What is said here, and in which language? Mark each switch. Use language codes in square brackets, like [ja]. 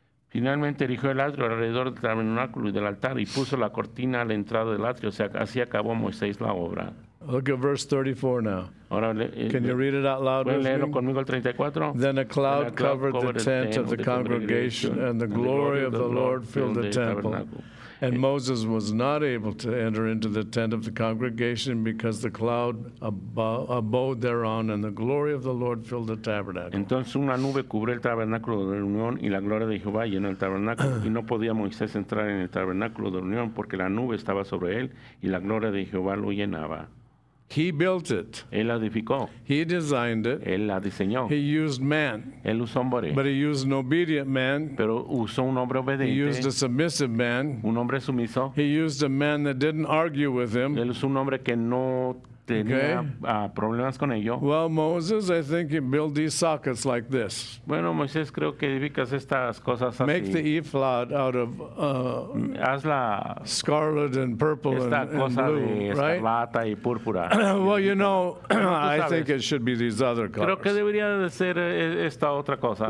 [es] Finalmente erigió el atrio alrededor del tabernáculo y del altar y puso la cortina a la entrada del atrio. O sea, así acabó Moisés la obra. [en] Look at verse 34 now. Can you read it out loud with me? Then a cloud covered the tent of the congregation, and the glory of the Lord filled the temple. And Moses was not able to enter into the tent of the congregation because the cloud abode thereon, and the glory of the Lord filled the tabernacle. [es] Entonces una nube cubrió el tabernáculo de reunión y la gloria de Jehová llenó el tabernáculo, y no podía Moisés entrar en el tabernáculo de reunión porque la nube estaba sobre él y la gloria de Jehová lo llenaba. [en] He built it. [es] Él edificó. [en] He designed it. [es] Él la diseñó. [en] He used man. [es] Él usó hombre. [en] But he used an obedient man. [es] Pero usó un hombre obediente. [en] He used a submissive man. [es] Un hombre sumiso. [en] He used a man that didn't argue with him. [es] Él usó un hombre que no tenía problemas con ello. [en] Well, Moses, I think you build these sockets like this. [es] Bueno, Moisés, creo que edificas estas cosas así. [en] Make the ephod out of scarlet and purple [es] esta [en] and [es] cosa [en] blue, [es] de escarlata [en] right? [es] y púrpura. [en] Well, you know, I think it should be these other colors. [es] Creo que debería de ser esta otra cosa.